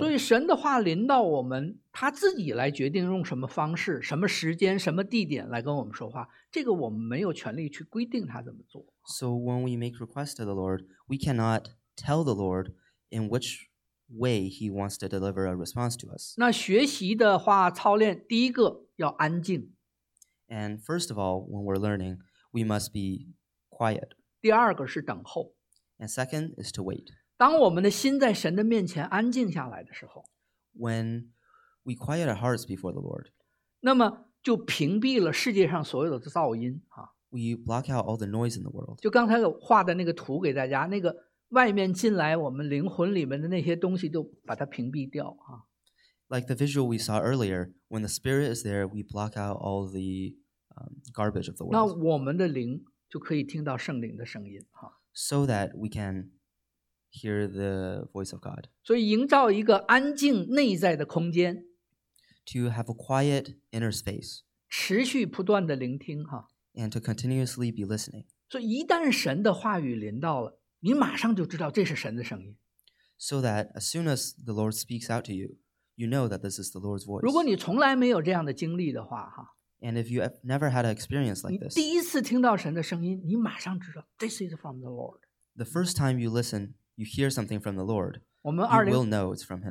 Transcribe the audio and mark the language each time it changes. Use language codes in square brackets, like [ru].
[zh] 所以神的话临到我们，他自己来决定用什么方式、什么时间、什么地点来跟我们说话，这个我们没有权利去规定他怎么做。 [en] So when we make requests to the Lord, we cannot tell the Lord in which way he wants to deliver a response to us. [zh] 那学习的话，操练，第一个要安静。 [en] And first of all, when we're learning, we must be quiet. [zh] 第二个是等候。 [en] And second is to wait. [zh] 当我们的心在神的面前安静下来的时候， [en] When we quiet our hearts before the Lord, [zh] 那么就屏蔽了世界上所有的噪音。 [en] We block out all the noise in the world. [zh] 就刚才画的那个图给大家，那个外面进来我们灵魂里面的那些东西都把它屏蔽掉。 [en] Like the visual we saw earlier, when the spirit is there, we block out all the garbage of the world. [zh] 那我们的灵就可以听到圣灵的声音。 [en] So that we can hear the voice of God. [zh] 所以营造一个安静内在的空间。 [en] To have a quiet inner space. [zh] 持续不断的聆听。 [en] And to continuously be listening. [zh] 所以一旦神的话语临到了，你马上就知道这是神的声音。 [en] So that as soon as the Lord speaks out to you, you know that this is the Lord's voice. [zh] 如果你从来没有这样的经历的话， [en] And if you have never had an experience like this, [zh] 你第一次听到神的声音，你马上知道 [en] this is from the Lord. The first time you listen, you hear something from the Lord, you will know it's from him.